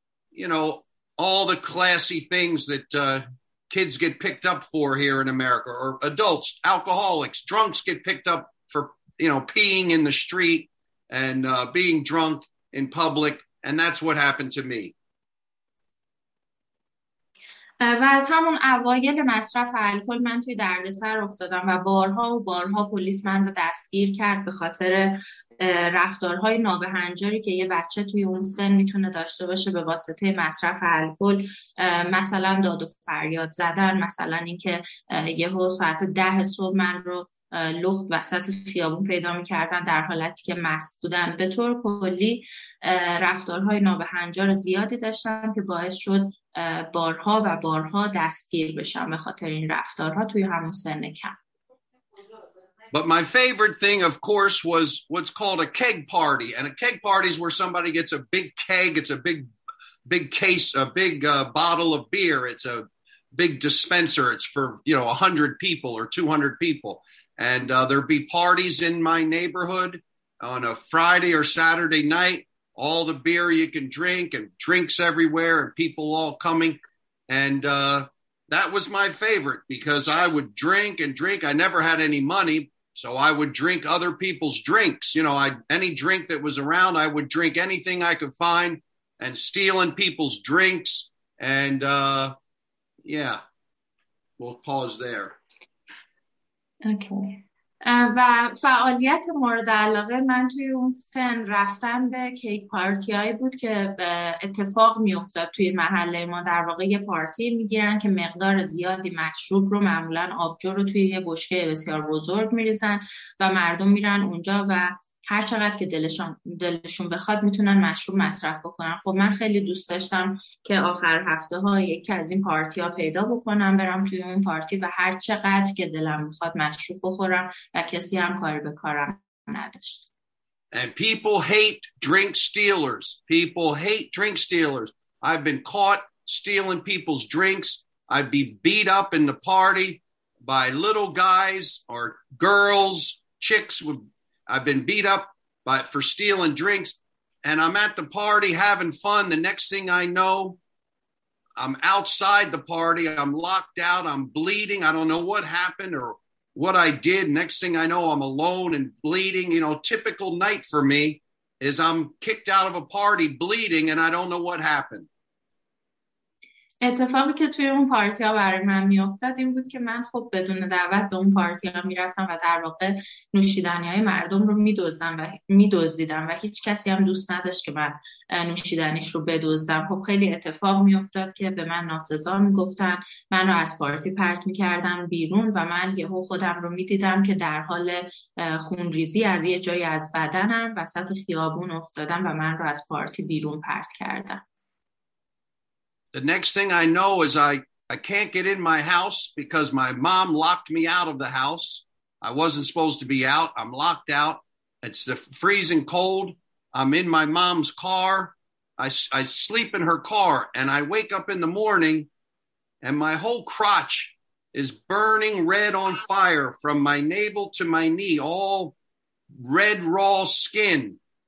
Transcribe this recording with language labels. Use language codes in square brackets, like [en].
[en] You know, all the classy things that kids get picked up for here in America, or adults, alcoholics, drunks get picked up for, you know, peeing in the street and being drunk in public. And that's what happened to me. [fa] و از همون اوایل مصرف الکل من توی دردسر افتادم و بارها و بارها پلیس من رو دستگیر کرد به خاطر رفتارهای نابهنجاری که یه بچه توی اون سن میتونه داشته باشه به واسطه مصرف الکل، مثلا داد و فریاد زدن، مثلا اینکه یه ساعت 10 صبح من رو لخت وسط خیابون پیدا میکردن در حالتی که مست بودن. به طور کلی رفتارهای نابهنجار زیادی داشتم که باعث شد بارها و بارها دستگیر بشم به خاطر این رفتارها توی همون سن کم. [en] But my favorite thing, of course, was what's called a keg party. And a keg party is where somebody gets a big keg. It's a big case, a big bottle of beer. It's a big dispenser. It's for, you know, 100 people or 200 people. And there'd be parties in my neighborhood on a Friday or Saturday night. All the beer you can drink and drinks everywhere and people all coming. And that was my favorite because I would drink and drink. I never had any money, so I would drink other people's drinks. You know, any drink that was around, I would drink anything I could find and stealing people's drinks. And yeah, we'll pause there. [fa] و فعالیت مورد علاقه من توی اون سن رفتن به کیک پارتی هایی بود که اتفاق می افتاد توی محله ما. در واقع یه پارتی می گیرن که مقدار زیادی مشروب رو، معمولا آبجو رو، توی یه بشکه بسیار بزرگ می ریزن و مردم میرن اونجا و هر چقدر که دلشون بخواد میتونن مشروب مصرف بکنن. خب من خیلی دوست داشتم که آخر هفته ها یکی از این پارتی ها پیدا بکنم، برم توی اون پارتی و هر چقدر که دلم میخواد مشروب بخورم و کسی هم کاری به کارم نداشت. [en] And people hate drink stealers. People hate drink stealers. I've been caught stealing people's drinks. I'd be beat up in the party by little guys or girls, chicks with I've been beat up by for stealing drinks, and I'm at the party having fun. The next thing I know, I'm outside the party. I'm locked out. I'm bleeding. I don't know what happened or what I did. Next thing I know, I'm alone and bleeding. You know, typical night for me is I'm kicked out of a party bleeding, and I don't know what happened. [fa] اتفاقی که توی اون پارتی ها برای من می افتاد این بود که من خب بدون دعوت به اون پارتی ها می رفتم و در واقع نوشیدنی های مردم رو می دزدیدم و هیچ کسی هم دوست نداشت که من نوشیدنیش رو بدزدم. خب خیلی اتفاق می افتاد که به من ناسزا می گفتن، من رو از پارتی پرت می کردن بیرون و من یهو خودم رو می دیدم که در حال خونریزی از یه جایی از بدنم وسط خیابون افتادم و من رو از پارتی بیرون پرت کردن. [en] The next thing I know is I can't get in my house because my mom locked me out of the house. I wasn't supposed to be out. I'm locked out. It's the freezing cold. I'm in my mom's car. I sleep in her car and I wake up in the morning and my whole crotch is burning red on fire from my navel to my knee, all red raw skin.